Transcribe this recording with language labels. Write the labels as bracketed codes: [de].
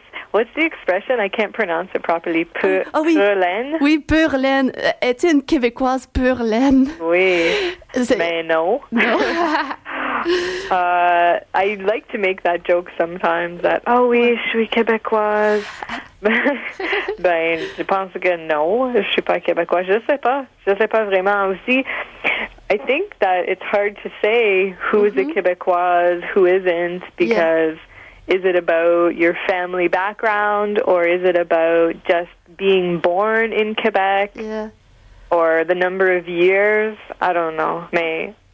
[en] What's the expression? I can't pronounce it properly. Pur laine? [fr] Oui, pur laine. Es-tu une Québécoise pur laine? Oui. Mais non. Non. [en] I like to make that joke sometimes that, [fr] oh oui, je suis québécoise. Ben, je pense que non, je suis pas québécoise. Je sais pas vraiment aussi. [en] I think that it's hard to say who is a québécoise, who isn't, because is it about your family background or is it about just being born in Quebec? Yeah. Or the number of years? I don't know. May.